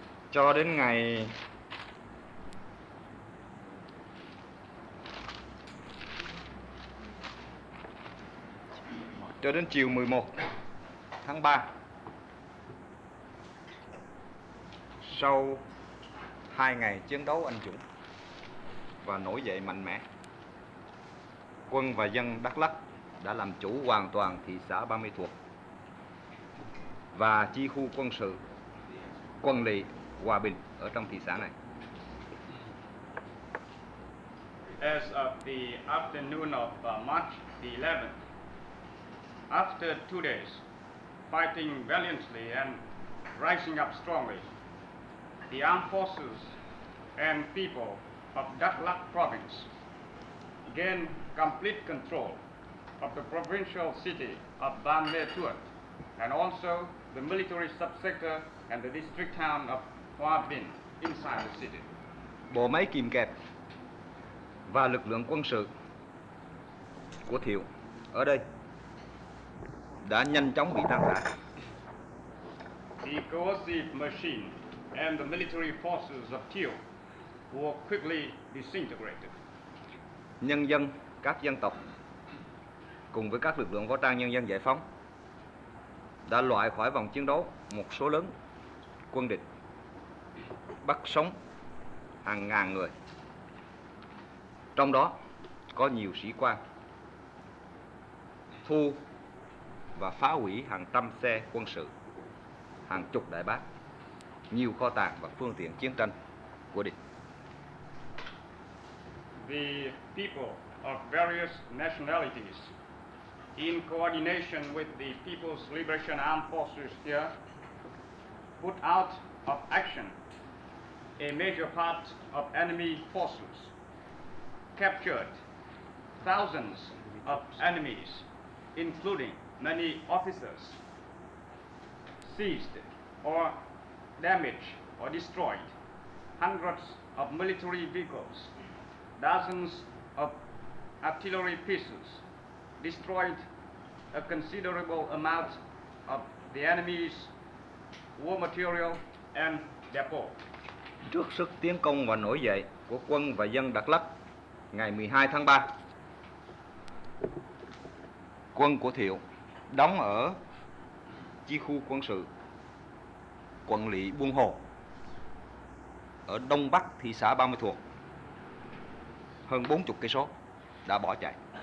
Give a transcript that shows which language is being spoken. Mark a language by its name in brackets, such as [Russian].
[Vietnamese] Cho đến ngày 11 tháng 3, sau 2 ngày chiến đấu anh dũng và nổi dậy mạnh mẽ, quân và dân Đắk Lắk đã làm chủ hoàn toàn thị xã Ba Mươi Thuộc và chi khu quân sự quân lỵ Hòa Bình ở trong thị xã này. [English] As of the afternoon of March the 11th, after 2 days fighting valiantly and rising up strongly, the armed forces and people of Đắk Lắk province gained complete control of the provincial city of Ban Mê Thuột and also the military subsector and the district town of Hoa Bình inside the city. [Vietnamese] Bộ máy kìm kẹp và lực lượng quân sự của Thiệu ở đây đã nhanh chóng bị tan rã. [English] the coercive machine and the military forces of Thieu were quickly disintegrated. [Vietnamese] Nhân dân, các dân tộc cùng với các lực lượng võ trang nhân dân giải phóng đã loại khỏi vòng chiến đấu một số lớn quân địch, bắt sống hàng ngàn người. Trong đó có nhiều sĩ quan, thu và phá hủy hàng trăm xe quân sự, hàng chục đại bác, nhiều kho tàng và phương tiện chiến tranh của địch. [English] The people of various nationalities, in coordination with the People's Liberation Armed Forces here, put out of action a major part of enemy forces, captured thousands of enemies, including many officers, seized or damaged or destroyed hundreds of military vehicles, dozens of artillery pieces, destroyed a considerable amount of the enemy's war material and depot. [Vietnamese] Trước sức tiến công và nổi dậy của quân và dân Đắk Lắk ngày 12 tháng 3, quân của Thiệu đóng ở chi khu quân sự quận lỵ Buôn Hồ ở đông bắc thị xã Ba Mươi Thuột, hơn 40 cây số, đã bỏ chạy.